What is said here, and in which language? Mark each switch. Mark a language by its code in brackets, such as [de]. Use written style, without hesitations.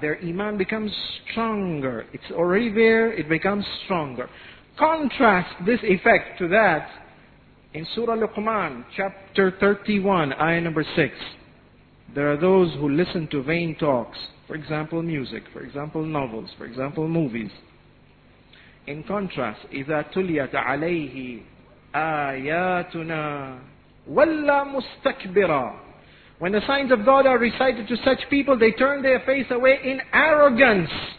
[en] Their iman becomes stronger. It's already there, it becomes stronger. Contrast this effect to that in Surah Luqman, chapter 31, ayah number 6. There are those who listen to vain talks, for example music, for example novels, for example movies. In contrast, [ar] إِذَا تُلِيَتْ عَلَيْهِ آيَاتُنَا وَلَّا مُسْتَكْبِرًا. [en] When the signs of God are recited to such people, they turn their face away in arrogance.